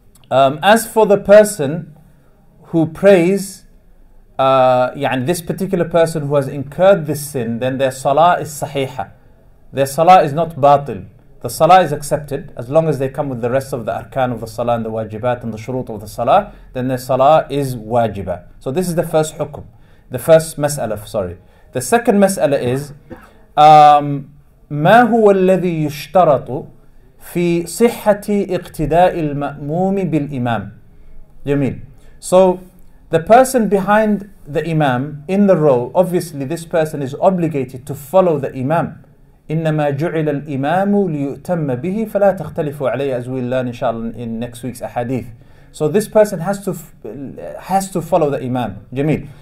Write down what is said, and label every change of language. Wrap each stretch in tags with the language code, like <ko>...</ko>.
<en>As for the person who prays, this particular person who has incurred this sin, then their salah is sahiha. Their salah is not batil. The salah is accepted as long as they come with the rest of the arkan of the salah and the wajibat and the shurut of the salah, then their salah is wajibah. So this is the first hukum, the first mas'ala, sorry. The second mas'ala is,</en> <ar>مَا هُوَ الَّذِي يُشْتَرَطُ فِي صِحَّةِ اِقْتِدَاءِ الْمَأْمُومِ بِالْإِمَامِ.</ar> <en>Jameel. So the person behind the imam in the row, obviously this person is obligated to follow the imam.</en> <ar>إِنَّمَا جُعِلَ الْإِمَامُ لِيُؤْتَمَّ بِهِ فَلَا تَخْتَلِفُوا عَلَيْهِ</ar> <en>as we learn inshallah in next week's ahadith. So this person has to follow the imam. Jameel.</en>